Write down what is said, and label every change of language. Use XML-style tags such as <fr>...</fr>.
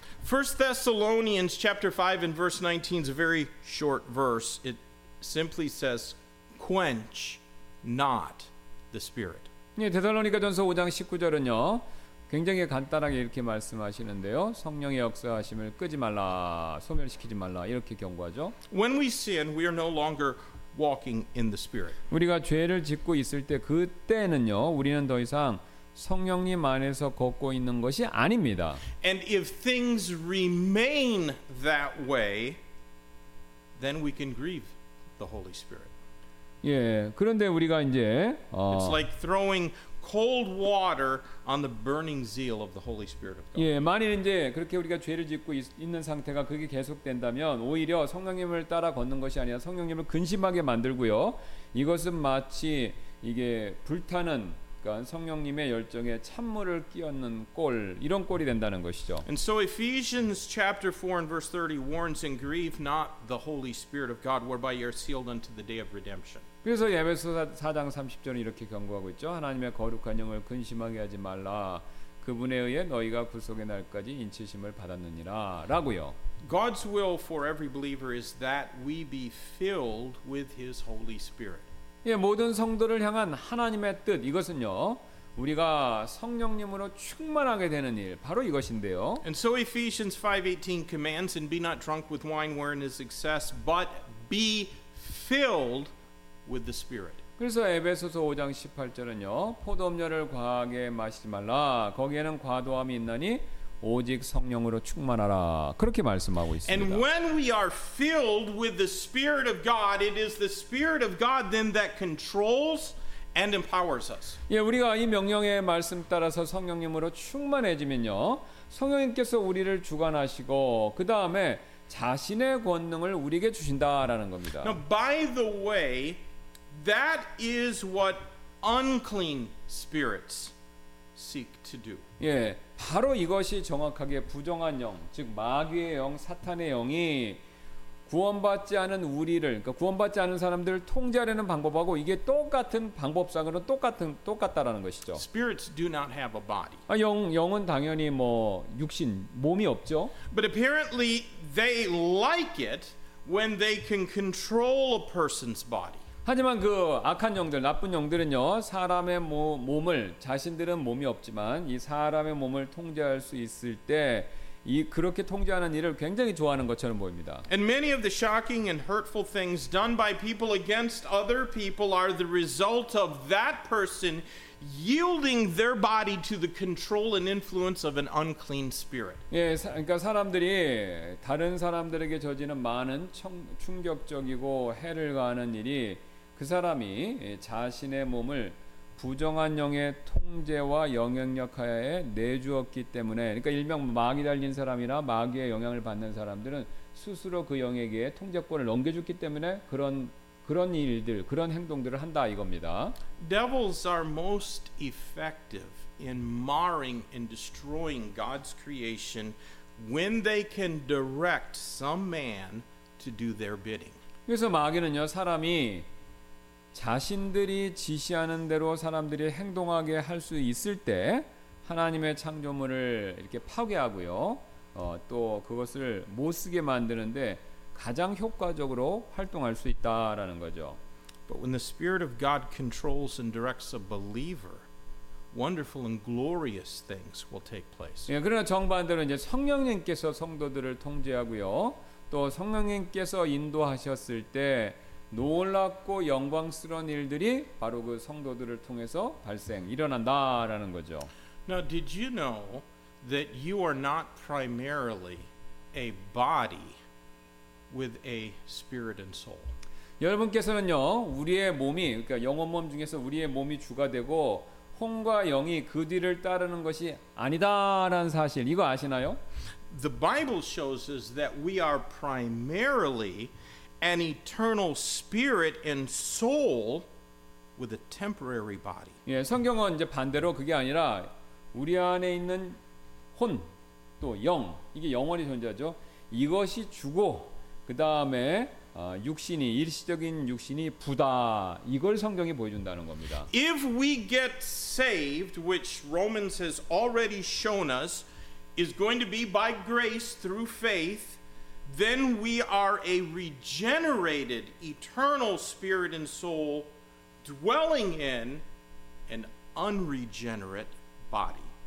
<en>1 Thessalonians chapter 5 and verse 19 is a very short verse. It simply says quench not the spirit.</en> <ko>네, 데살로니가전서 5장 19절은요. 굉장히 간단하게 이렇게 말씀하시는데요. 성령의 역사하심을 끄지 말라. 소멸시키지 말라. 이렇게 경고하죠.</ko> <en>When we sin, we are no longer walking in the spirit.</en> <ko>우리가 죄를 짓고 있을 때 그때는요. 우리는 더 이상 성령님 안에서 걷고 있는 것이 아닙니다.</ko> <en>And if things remain that way, then we can grieve the Holy Spirit.</en> <ko>예, 그런데 우리가 이제</ko> <en>It's like throwing cold water on the burning zeal of the Holy Spirit of God.</en> <ko>예, 만일 이제 그렇게 우리가 죄를 짓고 있는 상태가 그게 계속된다면 오히려 성령님을 따라 걷는 것이 아니라 성령님을 근심하게 만들고요. 이것은 마치 이게 불타는 그러니까 성령님의 열정에 찬물을 끼얹는 꼴 이런 꼴이 된다는 것이죠.</ko> <en>And so Ephesians chapter 4 and verse 30 warns and grieve not the Holy Spirit of God whereby you are sealed unto the day of redemption.</en> <ko>그래서 에베소서 4장 30절은 이렇게 경고하고 있죠. 하나님의 거룩한 영을 근심하게 하지 말라. 그분에 의해 너희가 구속의 날까지 인치심을 받았느니라라고요.</ko> <en>God's will for every believer is that we be filled with his Holy Spirit.</en> <ko>예, 모든 성도를 향한 하나님의 뜻 이것은요. 우리가 성령님으로 충만하게 되는 일 바로 이것인데요.</ko> <en>And so Ephesians 5:18 commands and be not drunk with wine wherein is excess but be filled with the spirit.</en> <ko>그래서 에베소서 5장 18절은요. 포도음료를 과하게 마시지 말라. 거기에는 과도함이 있나니 오직 성령으로 충만하라 그렇게 말씀하고 있습니다.</ko> <en>And when we are filled with the Spirit of God, it is the Spirit of God then that controls and empowers us.</en> <ko>예, 우리가 이 명령의 말씀 따라서 성령님으로 충만해지면요, 성령님께서 우리를 주관하시고 그 다음에 자신의 권능을 우리에게 주신다라는 겁니다.</ko> <en>Now, by the way, that is what unclean spirits seek to do.</en> <ko>예. 바로 이것이 정확하게 부정한 영, 즉 마귀의 영, 사탄의 영이 구원받지 않은 우리를, 그러니까 구원받지 않은 사람들을 통제하려는 방법하고 이게 똑같은 방법상으로 똑같다라는 것이죠.</ko> <en>Spirits do not have a body.</en> <ko>아, 영은 당연히 뭐 육신, 몸이 없죠.</ko> <en>But apparently they like it when they can control a person's body.</en> <ko>하지만 그 악한 영들, 나쁜 영들은요, 사람의 몸을 자신들은 몸이 없지만 이 사람의 몸을 통제할 수 있을 때 이 그렇게 통제하는 일을 굉장히 좋아하는 것처럼 보입니다.</ko> <en>And many of the shocking and hurtful things done by people against other people are the result of that person yielding their body to the control and influence of an unclean spirit.</en> <ko>예, 그러니까 사람들이 다른 사람들에게 저지른 많은 충격적이고 해를 가하는 일이 그 사람이 자신의 몸을 부정한 영의 통제와 영향력 하에 내주었기 때문에 그러니까 일명 마귀 달린 사람이나 마귀의 영향을 받는 사람들은 스스로 그 영에게 통제권을 넘겨줬기 때문에 그런 일들, 그런 행동들을 한다 이겁니다.</ko> <en>Devils are most effective in marring and destroying God's creation when they can direct some man to do their bidding.</en> <ko>그래서 마귀는요, 사람이 자신들이 지시하는 대로 사람들이 행동하게 할 수 있을 때 하나님의 창조물을 이렇게 파괴하고요, 또 그것을 못 쓰게 만드는데 가장 효과적으로 활동할 수 있다라는 거죠.</ko> <en>But when the Spirit of God controls and directs a believer, wonderful and glorious things will take place.</en> <ko>예, 그러나 정반대로 이제 성령님께서 성도들을 통제하고요, 또 성령님께서 인도하셨을 때 놀랍고 영광스러운 일들이 바로 그 성도들을 통해서 발생 일어난다라는 거죠.</ko> <en>Now, did you know that you are not primarily a body with a spirit and soul?</en> <ko>여러분께서는요, 우리의 몸이 그러니까 영혼 몸 중에서 우리의 몸이 주가 되고 혼과 영이 그 뒤를 따르는 것이 아니다라는 사실 이거 아시나요?</ko> <en>The Bible shows us that we are primarily an eternal spirit and soul with a temporary body.</en> <ko>예, 성경은 이제 반대로 그게 아니라 우리 안에 있는 혼 또 영 이게 영원히 존재하죠. 이것이 주고 그 다음에 육신이 일시적인 육신이 부다 이걸 성경이 보여준다는 겁니다.</ko> <en>If we get saved, which Romans has already shown us, is going to be by grace through faith, then we are a regenerated eternal spirit and soul dwelling in an unregenerate body.</en>